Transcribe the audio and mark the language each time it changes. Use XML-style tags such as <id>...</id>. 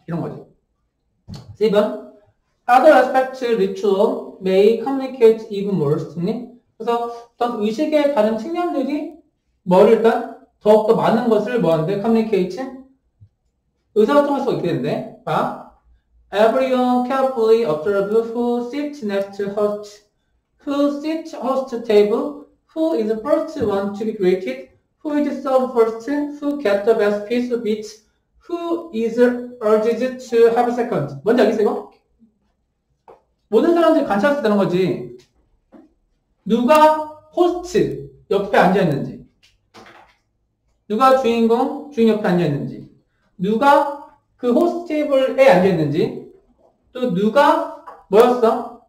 <ko>이런 거지. 3번.</ko> <en>Other aspects ritual may communicate even more strongly.</en> <ko>그래서 어떤 의식의 다른 측면들이 뭐를 일단 더욱더 많은 것을 뭐한대?</ko> <en>communicate?</en> <ko>의사소통할 수가 있게 된대. 봐.</ko> <en>Everyone carefully observe who sits next to host, who sits host table, who is the first one to be greeted, who is served first, who gets the best piece of meat, who is urged to have a second.</en> <ko>뭔지 알겠어요? 모든 사람들이 관찰할 수 있다는 거지. 누가 호스트 옆에 앉아있는지, 누가 주인공 주인 옆에 앉아있는지, 누가 그 호스트 테이블에 앉아있는지, 또 누가 뭐였어?</ko>